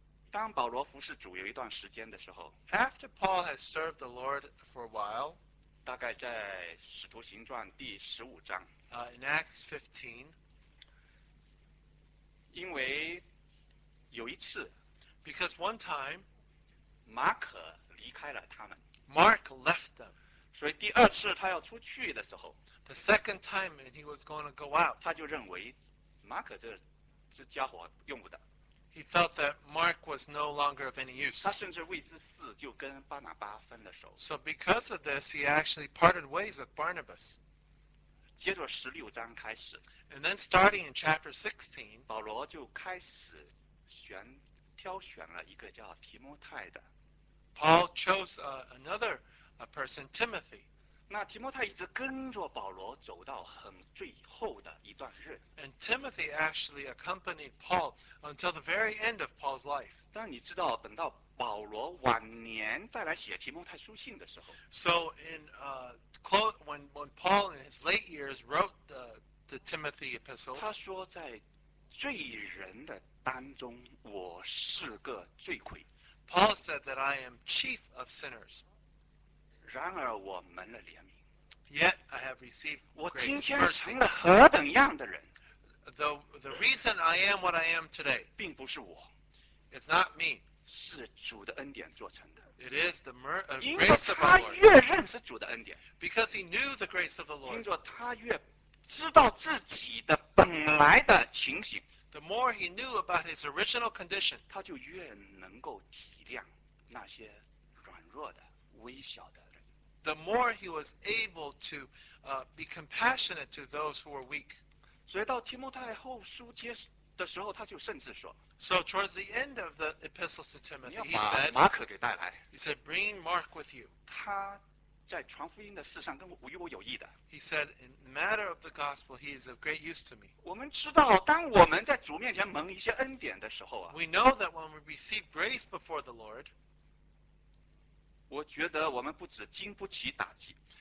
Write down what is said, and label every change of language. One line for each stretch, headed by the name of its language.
Chinese: 当保罗服侍主有一段时间的时候
English: ，After Paul has served the Lord for a while,
Chinese: 大概在《使徒行传》第十五章
English: ，In Acts 15,
Chinese: 因为有一次
English: ，Because one time,
Chinese: 马可离开了他们
English: ，Mark left them.
Chinese: 所以第二次他要出去的时候
English: ，The second time he was going to go out，
Chinese: 他就认为马可这家伙用不得。
English: He felt that Mark was no longer of any use。
Chinese: 他甚至为之事就跟巴拿巴分了手。
English: So because of this, he actually parted ways with Barnabas。
Chinese: 接着十六章开始
English: ，And then starting in chapter 16，
Chinese: 保罗就开始挑选了一个叫提摩太的。
English: Paul chose another。 A person, Timothy.
Chinese: 那提摩太一直跟着保罗走到很最后的一段日子。
English: And Timothy actually accompanied Paul until the very end of Paul's life.
Chinese: 但你知道，等到保罗晚年再来写提摩太书信的时候
English: ，So in when Paul in his late years wrote the Timothy epistles,
Chinese: 他说在罪人的当中，我是个罪魁。
English: Paul said that I am chief of sinners.
Chinese: 然而我蒙了怜悯
English: Yet I have received grace.
Chinese: 我今天成了何等样的人
English: The reason I am what I am today
Chinese: 并不是我
English: It's not me
Chinese: 是主的恩典做成的
English: It is the grace of the Lord
Chinese: 因为他越认识主的恩典
English: Because he knew the grace of the Lord
Chinese: 因为他越知道自己的本来的情形
English: The more he knew about his original condition
Chinese: 他就越能够体谅那些软弱的微小的
English: The more he was able to be compassionate to those who were weak.
Chinese: 所以到提摩太后书接的时候，他就甚至说
English: ，So towards the end of the epistle to Timothy, he said,
Chinese: 你要把马可给带来。
English: He said, bring Mark with you.
Chinese: 他在传福音的事上跟我与我有益的。
English: He said, in the matter of the gospel, he is of great use to me.
Chinese: 我们知道，当我们在主面前蒙一些恩典的时候啊
English: ，We know that when we receive grace before the Lord.
Chinese: 我觉得我们不止经不起打击。